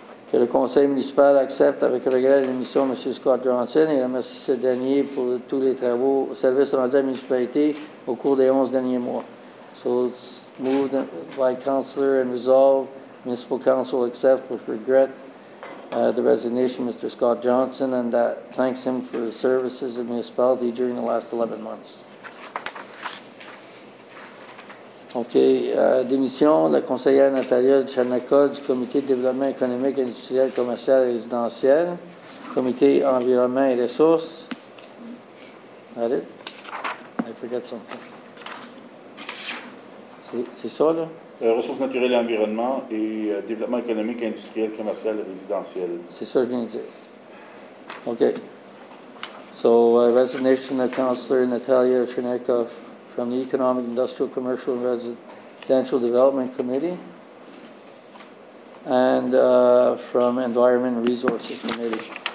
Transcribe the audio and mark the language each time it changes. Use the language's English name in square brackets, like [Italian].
[French] Que le conseil municipal accepte avec regret l'émission de M. Scott Johnson et remercie ce dernier pour tous les travaux, services rendus à la municipalité au cours des 11 derniers mois. [English] So it's moved by councillor and resolved. Municipal council accepts with regret the resignation of Mr. Scott Johnson and that thanks him for his services of the municipality during the last 11 months. OK. [French] Démission de la conseillère Natalia Chanaka du Comité de développement économique, industriel, commercial et résidentiel. Comité environnement et ressources. [English] That it? I forget something. [French] C'est ça, là? Ressources naturelles et environnement et développement économique, industriel, commercial et résidentiel. C'est ça que je viens de dire. OK. [English] So, resignation of Councillor Natalia Chanaka from the Economic, Industrial, Commercial, and Residential Development Committee and from Environment and Resources Committee.